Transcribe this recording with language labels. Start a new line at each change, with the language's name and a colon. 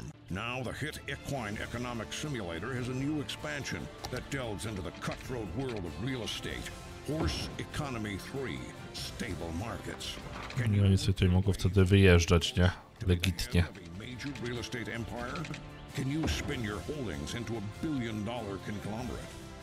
English: Now the hit Equine Economic Simulator has a new expansion that delves into the cutthroat world of real estate. Horse Economy 3, Stable Markets. Can you...
Polish: No i sobie tutaj mogę wtedy wyjeżdżać, nie? Legitnie.
English: Major real estate empire? Can you spin your holdings into a $1 billion conglomerate?